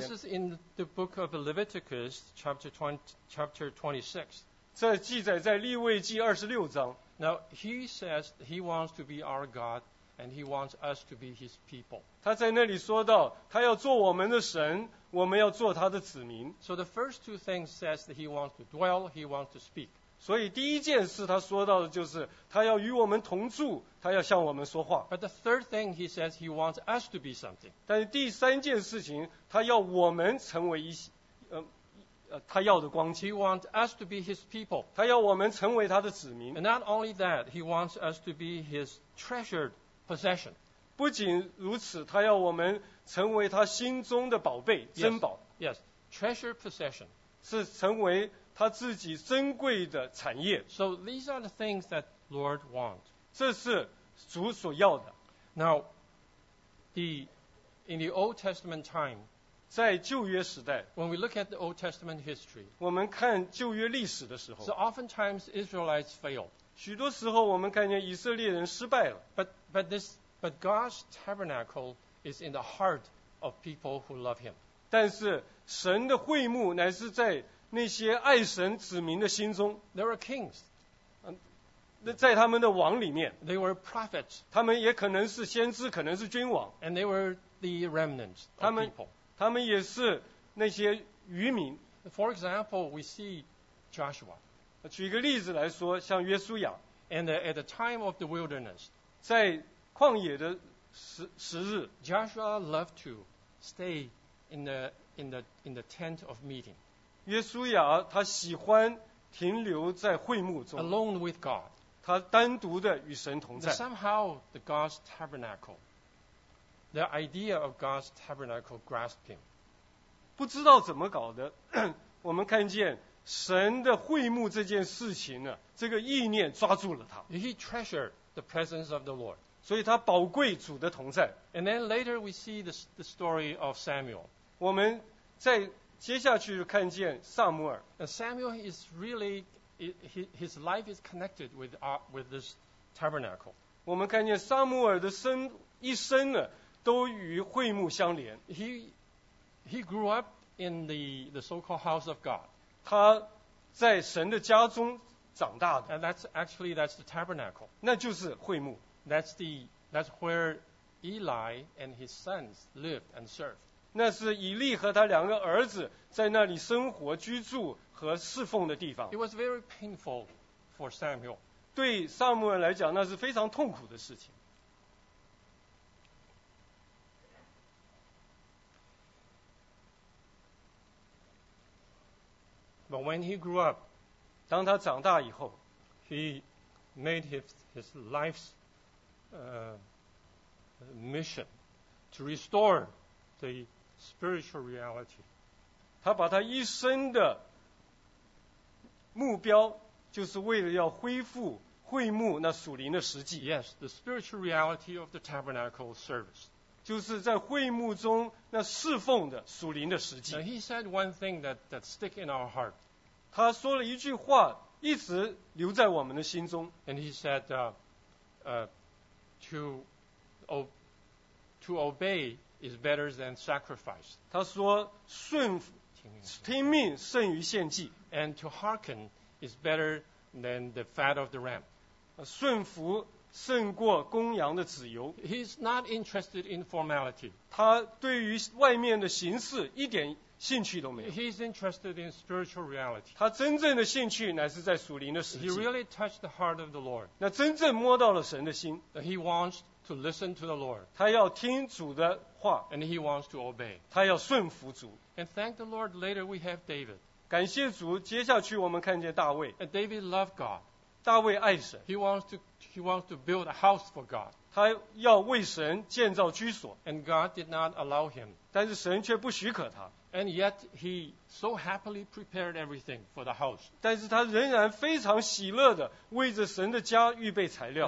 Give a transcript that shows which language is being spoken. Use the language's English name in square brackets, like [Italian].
[English] Now this is in the book of Leviticus, chapter 26. [Chinese] 这记载在利未记二十六章。 [English] Now he says he wants to be our God and he wants us to be his people. [Chinese] 他在那里说到，他要做我们的神。我们要做他的子民。 [English] So the first two things says that he wants to dwell, he wants to speak. [Chinese] 所以第一件事他说到的就是他要与我们同住，他要向我们说话。 [English] But the third thing he says he wants us to be something. [Chinese] 但第三件事情他要我们成为一他要的光景。 [English] He wants us to be his people. [Chinese] 他要我们成为他的子民。 [English] And not only that, he wants us to be his treasured possession. [Chinese] 不仅如此，他要我们成为他心中的宝贝、珍宝。 [English] Yes, treasure possession [Chinese] 是成为他自己珍贵的产业。 [English] So these are the things that Lord wants. [Chinese] 这是主所要的。 [English] Now, in the Old Testament time, [Chinese] 在旧约时代 [English] ，when we look at the Old Testament history, [Chinese] 我们看旧约历史的时候 [English] ，so oftentimes Israelites fail. [Chinese] 许多时候我们看见以色列人失败了。 [English] But God's tabernacle is in the heart of people who love Him. [Chinese] 但是神的会幕乃是在那些爱神子民的心中。 [English] There are kings. [Chinese] 在他们的王里面。 [English] They were prophets. [Chinese] 他们也可能是先知，可能是君王。 [English] And they were the remnants of people. [Chinese] 他们也是那些渔民。 [English] For example, we see Joshua. [Chinese] 举个例子来说，像约书亚。 [English] And at the time of the wilderness. [Chinese] 在旷野的时日 [English] ，Joshua loved to stay in the tent of meeting. [Chinese] 约书亚他喜欢停留在会幕中 [English] ，alone with God. [Chinese] 他单独的与神同在。 [English] Somehow the God's tabernacle, the idea of God's tabernacle grasped him. [Chinese] 不知道怎么搞的，我们看见神的会幕这件事情呢，这个意念抓住了他。 [English] He treasured the presence of the Lord. [Chinese] 所以他宝贵主的同在。 [English] And then later we see the story of Samuel. [Chinese] 我们在接下去就看见撒母耳。 [English] And Samuel is really, his life is connected with this tabernacle. [Chinese] 我们看见撒母耳的一生呢，都与会幕相连。 [English] He grew up in the so-called house of God. [Chinese] 他在神的家中长大的。 [English] And that's the tabernacle. [Chinese] 那就是会幕。 [English] That's where Eli and his sons lived and served. [Chinese] 那是以利和他两个儿子在那里生活、居住和侍奉的地方。 [English] It was very painful for Samuel. [Chinese] 对撒母耳来讲，那是非常痛苦的事情。 [English] But when he grew up, [Chinese] 当他长大以后 [English] he made his life'smission to restore the spiritual reality. [Chinese] 他把他一生的目标就是为了要恢复会幕那属灵的实际。 [English] Yes, the spiritual reality of the tabernacle service. [Chinese] 就是在会幕中那侍奉的属灵的实际。 [English] Now he said one thing that stick in our heart. [Chinese] 他说了一句话，一直留在我们的心中。 [English] And he said, to obey is better than sacrifice. [Chinese] 他说顺服。听命胜于献祭。 [English] And to hearken is better than the fat of the ram. [Chinese] 顺服胜过公羊的脂油。 [English] He's not interested in formality. [Chinese] 他对于外面的形式一点兴趣都没有。 [English] He's interested in spiritual reality. [Chinese] 他真正的兴趣乃是在属灵的实际。 [English] He really touched the heart of the Lord. [Chinese] 那真正摸到了神的心。 [English] He wants to listen to the Lord. [Chinese] 他要听主的话。 [English] And he wants to obey. [Chinese] 他要顺服主。 [English] And thank the Lord, later we have David. [Chinese] 感谢主，接下去我们看见大卫。 [English] And David loved God. [Chinese] 大卫爱神。 [English] He wants to build a house for God. [Chinese] 他要为神建造居所。 [English] And God did not allow him. [Chinese] 但是神却不许可他。 [English] And yet he so happily prepared everything for the house. [Chinese] 但是他仍然非常喜乐地为着神的家预备材料。